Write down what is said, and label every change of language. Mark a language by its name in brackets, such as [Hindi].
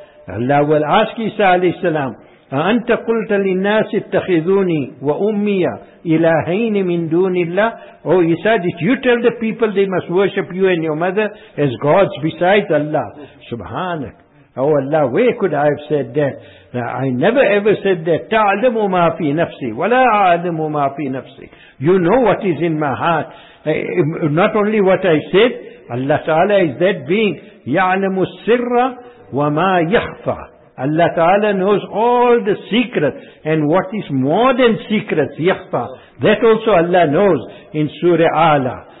[English] Allah will ask Isa alayhi salam, [Arabic] أَأَنْتَ قُلْتَ لِلنَّاسِ اتَّخِذُونِي وَأُمِّيَ إِلَٰهَيْنِ مِنْ دُونِ اللَّهِ [English] Oh, Isa, did you tell the people they must worship you and your mother as gods besides Allah? Subhanak. Oh Allah, where could I have said that? Now, I never ever said that. [Arabic] تَعْلَمُ مَا فِي نَفْسِي وَلَا أَعْلَمُ مَا فِي نَفْسِي [English] You know what is in my heart. Not only what I said, Allah Ta'ala is that being. [Arabic] يَعْلَمُ السِّرَّ وَمَا يَخْفَى [English] Allah Ta'ala knows all the secrets and what is more than secrets, يَخْفَى That also Allah knows in Surah A'la.